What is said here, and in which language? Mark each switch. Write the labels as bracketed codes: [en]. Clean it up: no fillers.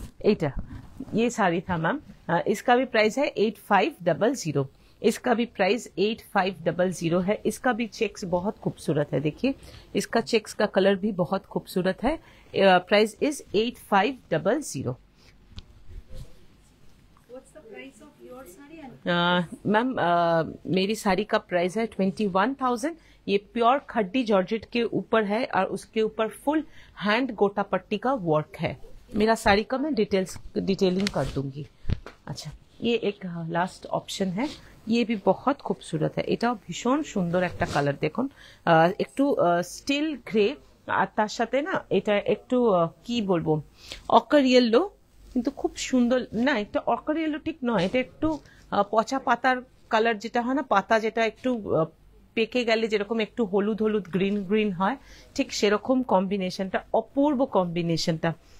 [hi] এইটা ইয়ে শাড়ি থা ম্যাম, ইসকা ভি প্রাইস হ্যায় 8500। इसका भी प्राइस 8500 है। इसका भी चेक्स बहुत खूबसूरत है, देखिए इसका चेक्स का कलर भी बहुत खूबसूरत है। [en] Price is 8500। [hi] मैम मेरी साड़ी का प्राइस है 21000। ये प्योर खड्डी जॉर्जेट के ऊपर है और उसके ऊपर फुल हैंड गोटा पट्टी का वर्क है। मेरा साड़ी का मैं डिटेलिंग कर दूंगी। अच्छा ये एक लास्ट ऑप्शन है, ये भी बहुत खूबसूरत है। [bn] এটাও ভীষণ সুন্দর একটা কালার, দেখুন একটু স্টিল গ্রে আর তার সাথে না এটা একটু কি বলবো অকার ইয়েলো, কিন্তু খুব সুন্দর। না এটা অকার ইয়েলো ঠিক নয়, এটা একটু পচা পাতার কালার, যেটা হয় না পাতা যেটা একটু পেকে গেলে যেরকম একটু হলুদ হলুদ গ্রিন গ্রিন হয়, ঠিক সেরকম কম্বিনেশনটা, অপূর্ব কম্বিনেশনটা।